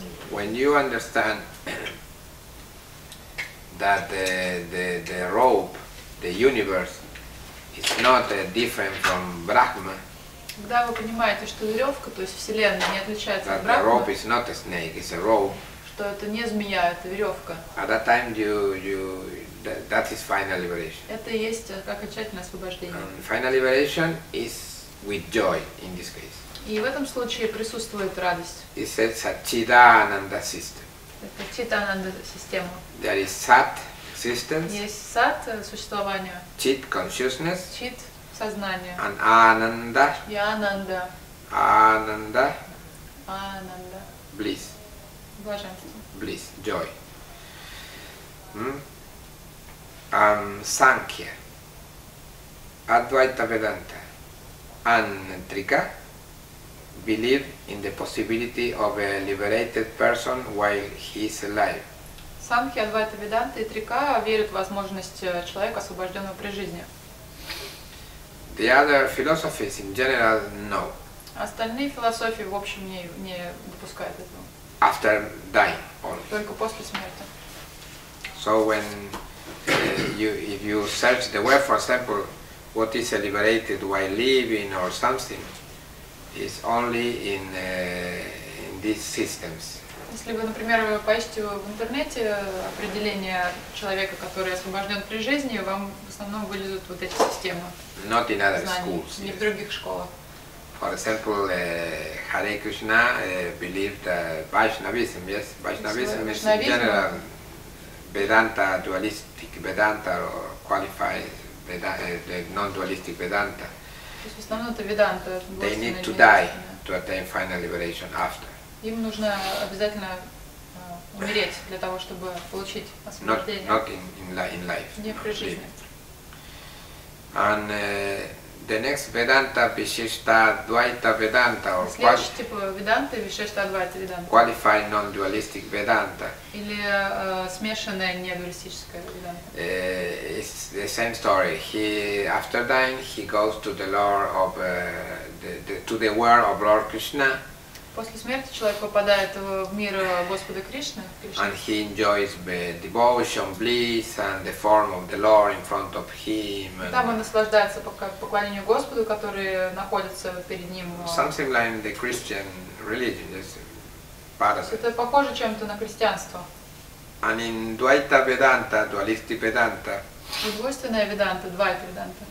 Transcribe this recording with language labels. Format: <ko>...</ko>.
<en>When you understand that the rope, the universe, is not different from Brahma.</en> <ru>Когда вы понимаете, что веревка, то есть вселенная, не отличается</ru> <en>that</en> <ru>от Брахмы.</ru> <en>The rope is not a snake, it's a rope.</en> <ru>Что это не змея, это веревка.</ru> <en>At that time you that is final liberation.</en> <ru>Это и есть окончательное освобождение.</ru> <en>And final liberation is with joy in this case.</en> <ru>И в этом случае присутствует радость.</ru> <en>It says Satchidananda system.</en> <ru>Это Читананда система.</ru> <en>There is Sat existence.</en> <ru>Есть Sat существование.</ru> <en>Chit consciousness.</en> <ru>Chit. Сознание.</ru> <en>And Ananda.</en> <ru>И Ананда. Ананда. Ананда.</ru> <en>Bliss.</en> <ru>Блаженство.</ru> <en>Bliss. Joy. Sankhya. Advaita Vedanta. Antrika. Believe in the possibility of a liberated person while he is alive.</en> <ru>Sankhya, Advaita Vedanta и Трика верят в возможность человека, освобожденного при жизни.</ru> <en>The other philosophies in general no.</en> <ru>Остальные философии в общем не допускают этого.</ru> <en>After dying only.</en> <ru>Только после смерти.</ru> <en>So when if you search the web, for example, what is a liberated while living or something, is only in these systems.</en> <ru>Если вы, например, поищете в интернете определение человека, который освобожден при жизни, вам в основном вылезут вот эти системы.</ru> <en>Not in other schools.</en> <ru>Не в других школах.</ru> <en>For example, Hare Krishna believed Vaishnavism, yes? Vaishnavism is in general Vedanta, dualistic Vedanta, or qualified Vedanta, non-dualistic Vedanta.</en> <ru>В основном это Веданта.</ru> <en>They need to die to attain final liberation after.</en> <ru>Им нужно обязательно умереть для того, чтобы получить освобождение.</ru> <en>Not in life.</en> <ru>Не при жизни.</ru> <en>And the next Vedanta, Vishishta Advaita Vedanta, or</en> <ru>следующий тип Веданты, Вишешта Адвайта Веданта.</ru> <en>Qualified non-dualistic Vedanta.</en> <ru>Или смешанная недуалистическая Веданта.</ru> <en>It's the same story. He after dying, he goes to the world of Lord Krishna.</en> <ru>После смерти человек попадает в мир Господа Кришны.</ru> <en>And he enjoys the devotion, bliss, and the form of the Lord in front of him.</en> <ru>И там он наслаждается поклонением Господу, который находится перед ним.</ru> <en>Something like the Christian religion, yes.</en> <ru>Это похоже чем-то на христианство.</ru> <en>And in Dvaita Vedanta, dualistic Vedanta.</en> <ru>Двойственная Веданта, Двайта Веданта.</ru>